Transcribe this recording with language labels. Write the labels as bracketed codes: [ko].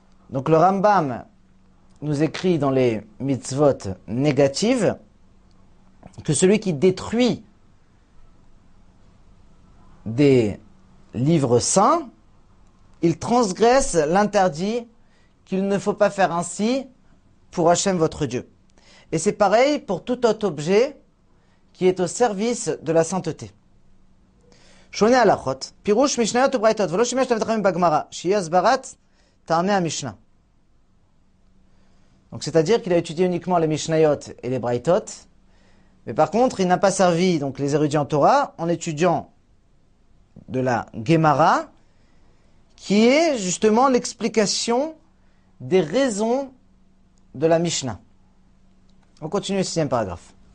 [fr] Donc le Rambam nous écrit dans les mitzvot négatives que celui qui détruit des livres saints, il transgresse l'interdit qu'il ne faut pas faire ainsi pour Hachem votre Dieu. Et c'est pareil pour tout autre objet qui est au service de la sainteté. [he] שונה הלכות, פירוש משניות וברייתות, ולא שימש למתחמים בגמרא, שהיא הסברת טעמי המשנה. [fr] Donc c'est-à-dire qu'il a étudié uniquement les משניות et les ברייתות, mais par contre, il n'a pas servi donc, les érudits en Torah en étudiant de la Gemara, qui est justement l'explication des raisons de la משנה. On continue le sixième paragraphe.